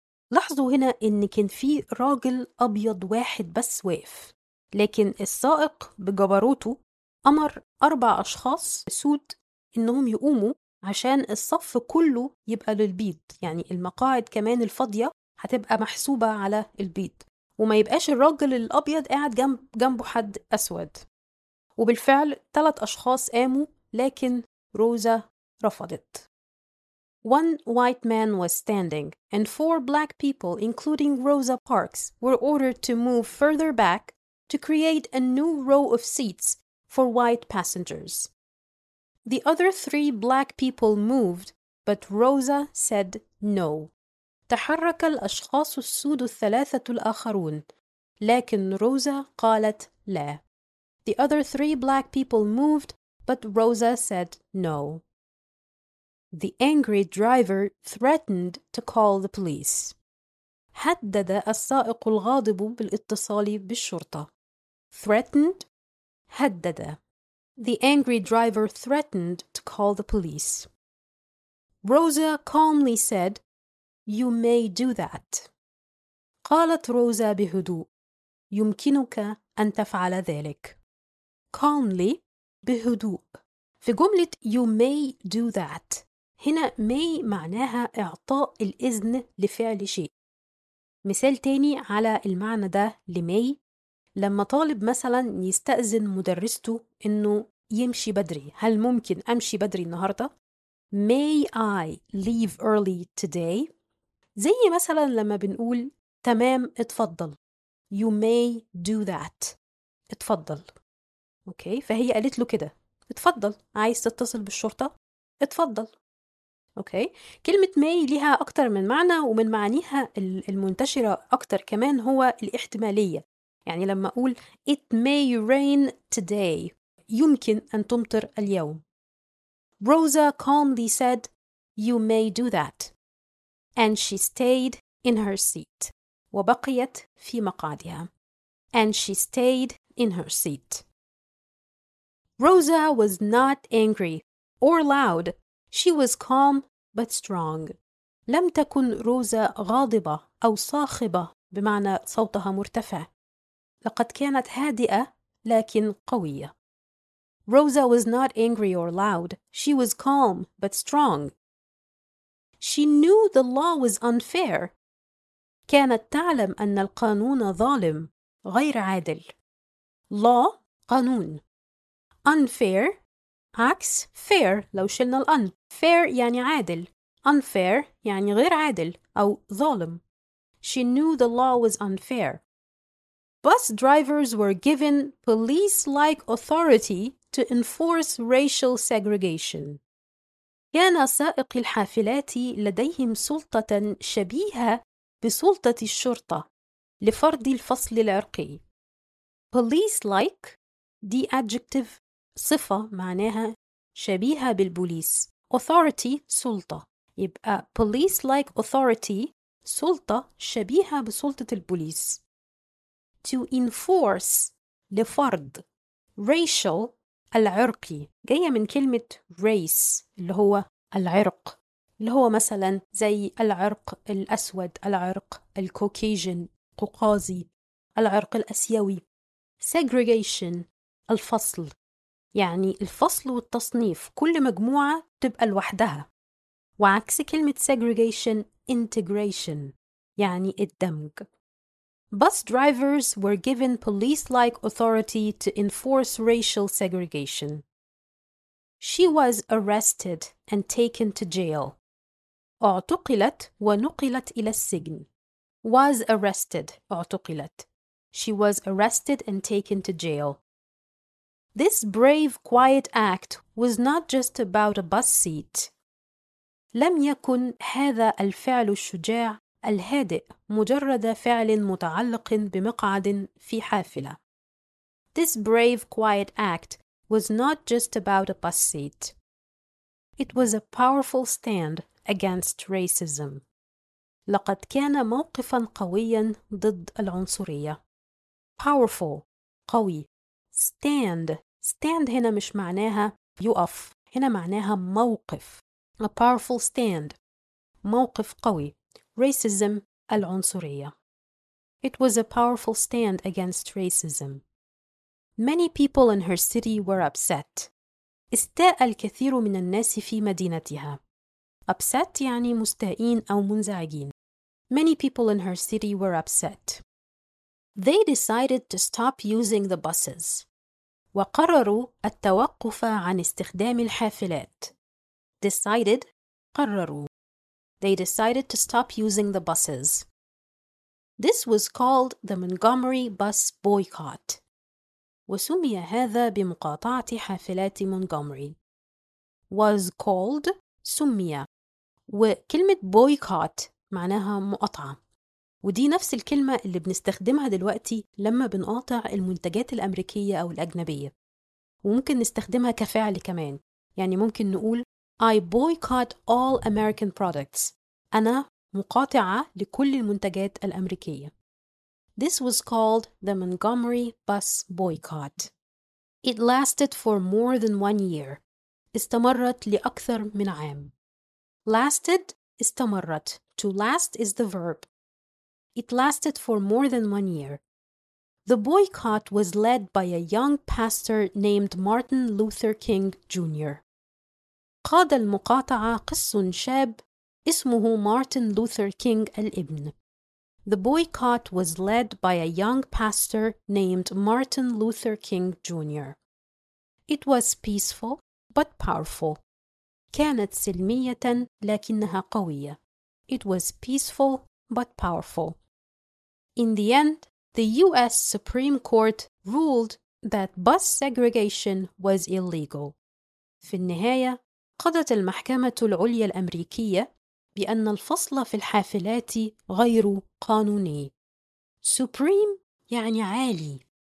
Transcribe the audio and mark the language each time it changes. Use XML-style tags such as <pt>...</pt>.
<ar>لاحظوا هنا إن كان في راجل أبيض واحد بس واقف لكن السائق بجبروته أمر أربع أشخاص سود إنهم يقوموا عشان الصف كله يبقى للبيض يعني المقاعد كمان الفاضية هتبقى محسوبة على البيض وما يبقاش الراجل الأبيض قاعد جنبه حد أسود وبالفعل ثلاث أشخاص قاموا لكن روزا رفضت</ar> <en>One white man was standing and four black people including Rosa Parks were ordered to move further back to create a new row of seats for white passengers. The other three black people moved, but Rosa said no.</en> <ar>تحرك الأشخاص السود الثلاثة الآخرون، لكن روزا قالت لا.</ar> <en>The other three black people moved, but Rosa said no. The angry driver threatened to call the police.</en> <ar>هدد السائق الغاضب بالاتصال بالشرطة.</ar> <en>Threatened, هدد. The angry driver threatened to call the police. Rosa calmly said, "You may do that."</en> <ar>قالت روزا بهدوء، يمكنك أن تفعل ذلك.</ar> <en>Calmly, بهدوء.</en> <ar>في جملة</ar> <en>"You may do that"</en> <ar>هنا "may" معناها إعطاء الإذن لفعل شيء. مثال تاني على المعنى ده لmay لما طالب مثلا يستأذن مدرسته إنه يمشي بدري هل ممكن أمشي بدري النهاردة؟</ar> <en>May I leave early today؟</en> <ar>زي مثلا لما بنقول تمام اتفضل</ar> <en>You may do that</en> <ar>اتفضل أوكي؟ فهي قالت له كده اتفضل عايز تتصل بالشرطة؟ اتفضل أوكي؟ كلمة may لها أكتر من معنى ومن معانيها المنتشرة أكتر كمان هو الاحتمالية يعني لما أقول</ar> <en>It may rain today</en> <ar>يمكن أن تمطر اليوم.</ar> <en>Rosa calmly said, "You may do that." And she stayed in her seat.</en> <ar>وبقيت في مقعدها.</ar> <en>And she stayed in her seat. Rosa was not angry or loud. She was calm but strong.</en> <ar>لم تكن روزا غاضبة أو صاخبة بمعنى صوتها مرتفع. لقد كانت هادئة لكن قوية. Rosa was not angry or loud. She was calm but strong. She knew the law was unfair. كانت تعلم أن القانون ظالم، غير عادل. Law، قانون. Unfair، عكس fair لو شلنا الأن. Fair يعني عادل. Unfair يعني غير عادل أو ظالم.</ar> <en>She knew the law was unfair. Bus drivers were given police-like authority to enforce racial segregation.</en> <ar>كان سائق الحافلات لديهم سلطة شبيهة بسلطة الشرطة لفرض الفصل العرقي.</ar> <en>Police-like, the adjective,</en> <ar>صفة معناها شبيهة بالبوليس. Authority, سلطة. يبقى</ar> <en>police like authority</en> <ar>سلطة شبيهة بسلطة البوليس.</ar> <en>To enforce</en> <ar>لفرض racial العرقي جاية من كلمة race اللي هو العرق اللي هو مثلا زي العرق الأسود العرق الكوكيجين قوقازي العرق الأسيوي. Segregation الفصل يعني الفصل والتصنيف كل مجموعة تبقى لوحدها وعكس كلمة segregation integration يعني الدمج.</ar> <en>Bus drivers were given police-like authority to enforce racial segregation. She was arrested and taken to jail.</en> <ar>اعتقلت ونقلت إلى السجن.</ar> <en>Was arrested, اعتقلت. She was arrested and taken to jail. This brave, quiet act was not just about a bus seat.</en> <ar>لم يكن هذا الفعل الشجاع الهادئ مجرد فعل متعلق بمقعد في حافلة.</ar> <en>This brave, quiet act was not just about a bus seat. It was a powerful stand against racism.</en> <ar>لقد كان موقفا قويا ضد العنصرية.</ar> <en>Powerful, قوي.</en> <ar>Stand, stand هنا مش معناها يقف. هنا معناها موقف.</ar> <en>A powerful stand, موقف قوي. Racism, العنصرية. It was a powerful stand against racism. Many people in her city were upset.</en> <ar>استاء الكثير من الناس في مدينتها. Upset يعني مستائين أو منزعجين.</ar> <en>Many people in her city were upset. They decided to stop using the buses.</en> <ar>وقرروا التوقف عن استخدام الحافلات.</ar> <en>Decided, قرروا. They decided to stop using the buses. This was called the Montgomery Bus Boycott.</en> <ar>وسمي هذا بمقاطعة حافلات مونتغومري.</ar> <en>Was called, سمي.</en> <ar>وكلمة boycott معناها مقاطعة. ودي نفس الكلمة اللي بنستخدمها دلوقتي لما بنقاطع المنتجات الأمريكية أو الأجنبية. وممكن نستخدمها كفعل كمان. يعني ممكن نقول</ar> <en>I boycott all American products.</en> <ar>أنا مقاطعة لكل المنتجات الأمريكية.</ar> <en>This was called the Montgomery Bus Boycott. It lasted for more than one year.</en> <ar>استمرت لأكثر من عام.</ar> <en>Lasted, استمرت. To last is the verb. It lasted for more than one year. The boycott was led by a young pastor named Martin Luther King Jr.</en> <ar>قاد المقاطعة قس شاب اسمه مارتن لوثر كينغ الابن.</ar> <en>The boycott was led by a young pastor named Martin Luther King Jr. It was peaceful but powerful.</en> <ar>كانت سلمية لكنها قوية.</ar> <en>It was peaceful but powerful. In the end, the U.S. Supreme Court ruled that bus segregation was illegal.</en> <ar>في النهاية قضت المحكمة العليا الأمريكية بأن الفصل في الحافلات غير قانوني. Supreme يعني عالي.</ar>